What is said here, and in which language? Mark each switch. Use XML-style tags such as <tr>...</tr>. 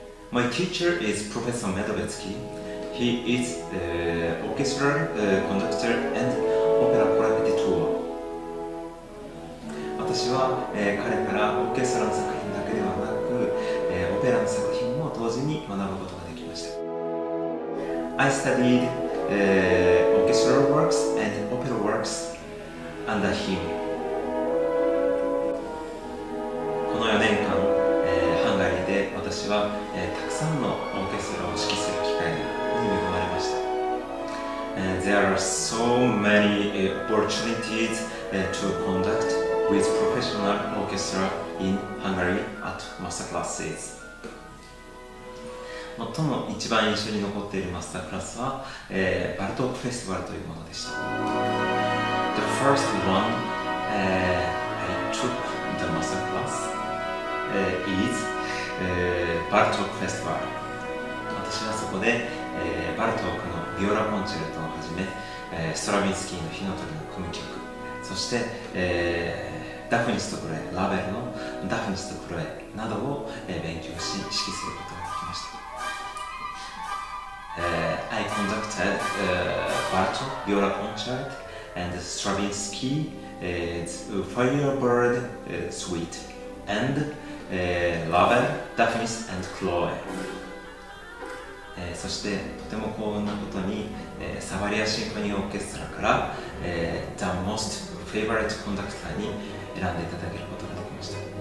<en>My teacher is Professor Medovetsky. He is orchestra conductor and opera コラケティトゥア。</en> <ja>私は、彼からオーケストラの作品だけではなく、オペラの作品も同時に学ぶことができました。</ja> <en>I studied orchestral works and opera works under him.</en> <ja>この4年間、ハンガリーで私は、たくさんのオーケストラを指揮する機会に恵まれました。</ja> <en>There are so many opportunities to conduct with professional orchestra in Hungary at masterclasses.</en> <ja>最も一番印象に残っているマスタークラスは、バルトークフェスティバルというものでした。</ja> <en>The first one、I took the master class、is、バルトークフェスティバル。</en> <ja>私はそこで、バルトークのビオラコンチェルトをはじめ、ストラヴィンスキーの火の鳥の組曲、そして、ダフニスとクロエ、ラベルのダフニスとクロエなどを、勉強し、指揮することができました。</ja> <en>I conducted Bartók Viola Concert and Stravinsky's Firebird Suite and Ravel, Daphnis and Chloe.</en> <ja>そしてとても幸運なことに、サバリアシンフォニーオーケストラから、</ja> <en>The Most Favorite Conductor</en> <ja>に選んでいただけることができました。</ja>